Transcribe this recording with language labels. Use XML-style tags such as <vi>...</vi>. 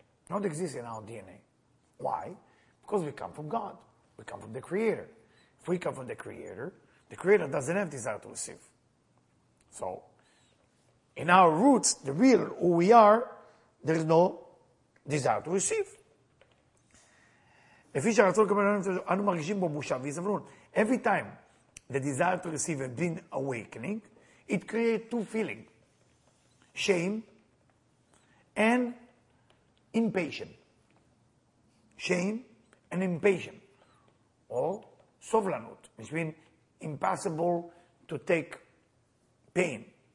<en>Not exist in our DNA. Why? Because we come from God. We come from the Creator. If we come from the Creator doesn't have desire to receive. So, in our roots, the real who we are, there is no desire to receive.</en> <he>לפי שהרצון לקבל אנו מרגישים בו בושה והזדמנות.</he> <en>Every time the desire to receive has been awakening, it creates two feelings. Shame and impatient. Shame and impatient. Or sovlanut, which means impossible to take pain.</en>